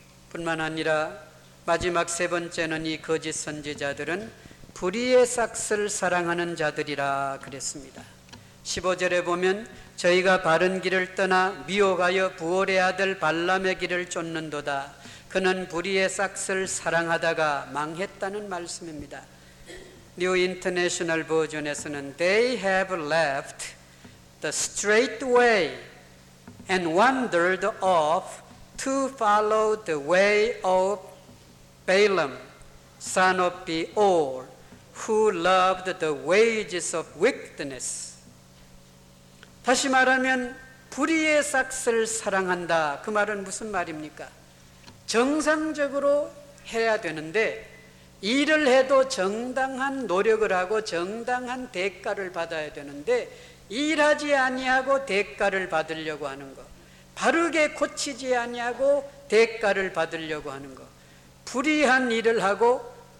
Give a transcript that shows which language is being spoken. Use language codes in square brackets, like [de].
[ko] 뿐만 아니라 마지막 세 번째는 이 거짓 선지자들은 불의의 싹스를 사랑하는 자들이라 그랬습니다. 15절에 보면 저희가 바른 길을 떠나 미혹하여 부월의 아들 발람의 길을 쫓는도다. 그는 불의의 싹스를 사랑하다가 망했다는 말씀입니다. [en] New International Version에서는 They have left the straight way and wandered off to follow the way of Balaam, son of Beor, who loved the wages of wickedness. [ko] 다시 말하면 불의의 싹스를 사랑한다, 그 말은 무슨 말입니까? 정상적으로 해야 되는데 일을 해도 정당한 노력을 하고 정당한 대가를 받아야 되는데 일하지 아니하고 대가를 받으려고 하는 것, 바르게 고치지 아니하고 대가를 받으려고 하는 것, 불의한 일을 하고